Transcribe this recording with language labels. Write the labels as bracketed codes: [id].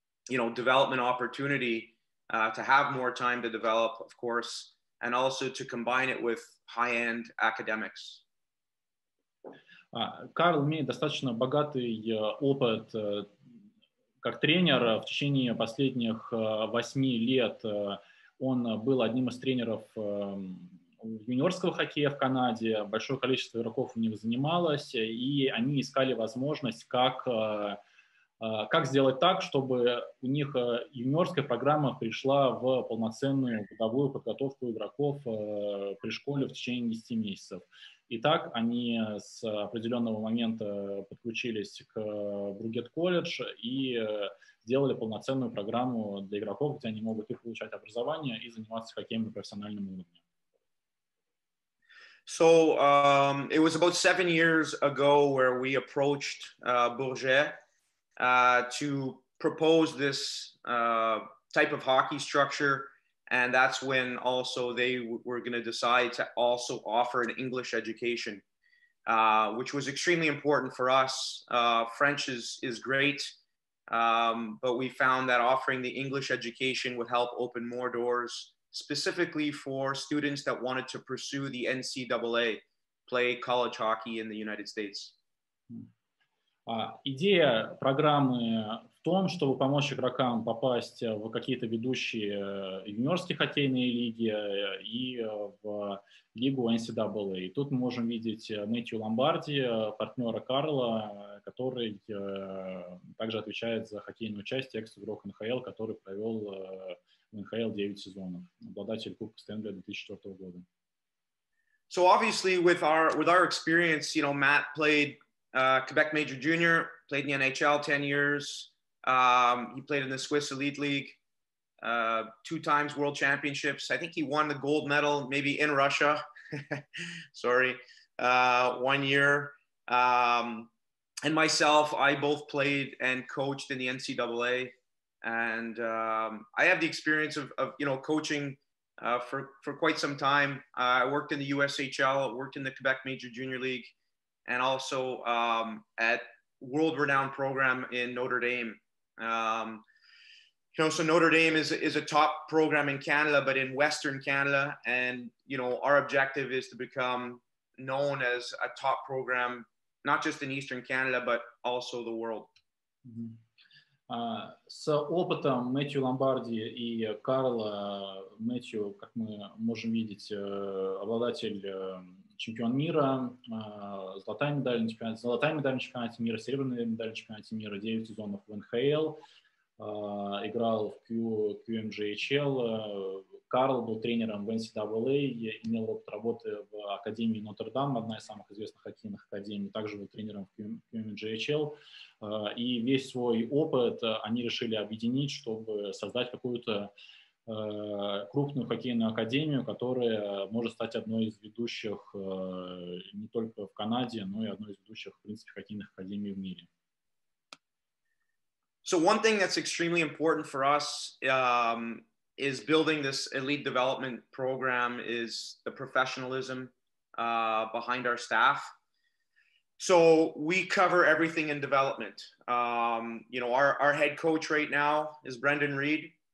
[en] you know, development opportunity to have more time to develop, of course, and also to combine it with high-end academics. [ru] Карл имеет достаточно богатый опыт как тренер. В течение последних 8 лет он был одним из тренеров юниорского хоккея в Канаде. Большое количество игроков у них занималось, и они искали возможность, как сделать так, чтобы у них юниорская программа пришла в полноценную годовую подготовку игроков при школе в течение 10 месяцев. И так они с определенного момента подключились к Bourget College и сделали полноценную программу для игроков, где они могут и получать образование, и заниматься хоккеем на профессиональном уровне. [en] So, it was about 7 years ago where we approached Bourget to propose this type of hockey structure. And that's when also they were going to decide to also offer an English education, which was extremely important for us. French is great, but we found that offering the English education would help open more doors, specifically for students that wanted to pursue the NCAA, play college hockey in the United States. [ru] Идея программы в том, чтобы помочь игрокам попасть в какие-то ведущие юниорские хоккейные лиги и в лигу NCAA. И тут мы можем видеть Мэтью Ломбарди, партнера Карла, который также отвечает за хоккейную часть, экс-игрок НХЛ, который провел в НХЛ 9 сезонов, обладатель Кубка Стэнли 2004 года. [en] So obviously with our experience, you know, Matt played Quebec Major Junior, played in the NHL 10 years. He played in the Swiss Elite League, two times World Championships. I think he won the gold medal, maybe in Russia. Sorry, 1 year. And myself, I both played and coached in the NCAA. And I have the experience of you know, coaching for quite some time. I worked in the USHL, worked in the Quebec Major Junior League, and also at world-renowned program in Notre Dame. You know, so Notre Dame is a top program in Canada, but in Western Canada. And, you know, our objective is to become known as a top program, not just in Eastern Canada, but also the world. Mm-hmm. [ru] С опытом Мэтью Ломбарди и Карла, Мэтью, как мы можем видеть, обладатель чемпион мира, золотая медаль на чемпионате мира, серебряная медаль на чемпионате мира, 9 сезонов в НХЛ, играл в QMJHL, Карл был тренером в NCAA, имел опыт работы в Академии Нотр-Дам, одна из самых известных хоккейных академий, также был тренером в QMJHL, и весь свой опыт они решили объединить, чтобы создать какую-то крупную хоккейную академию, которая может стать одной из ведущих не только в Канаде, но и одной из ведущих, в принципе, хоккейных академий в мире. [en] So one thing that's extremely important for us is building this elite development program is the professionalism behind our staff. So we cover everything in development. You know, our head coach right now is Brendan Reed.